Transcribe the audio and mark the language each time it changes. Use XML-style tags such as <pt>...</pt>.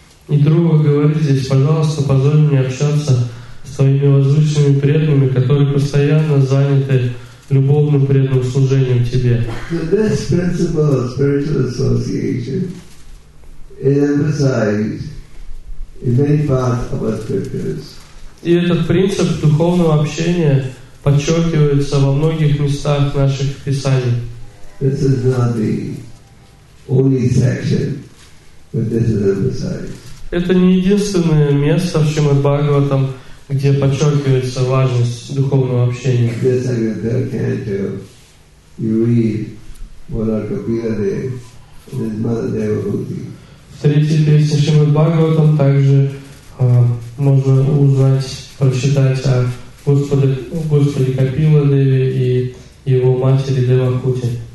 <ru>И Друга говорит здесь, пожалуйста, позволь мне общаться с твоими возвышенными преданными, которые постоянно заняты любовным преданным служением тебе.</ru> <en>So this principle of spiritual association is emphasized in many parts of our scriptures.</en> <ru>И этот принцип духовного общения подчеркивается во многих местах наших писаний.</ru> <en>This is not the only section, but this is emphasized.</en> <ru>Это не единственное место в Шримад-Бхагаватам, где подчеркивается важность духовного общения. В третьей песне Шримад-Бхагаватам также можно узнать, прочитать о Господе Капила Деви и его матери Девахути.</ru>